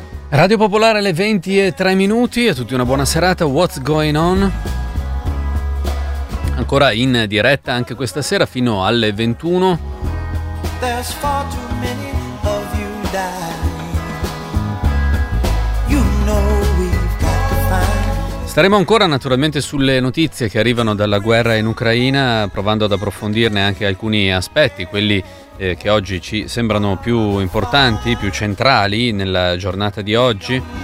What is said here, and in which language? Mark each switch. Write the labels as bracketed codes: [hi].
[it] Radio Popolare alle 20 e 3 minuti, a tutti una buona serata, What's Going On? Ancora in diretta anche questa sera fino alle 21. [en] There's far too many of you dying. You know we've got to find. [it] Staremo ancora naturalmente sulle notizie che arrivano dalla guerra in Ucraina, provando ad approfondirne anche alcuni aspetti, quelli che oggi ci sembrano più importanti, più centrali nella giornata di oggi.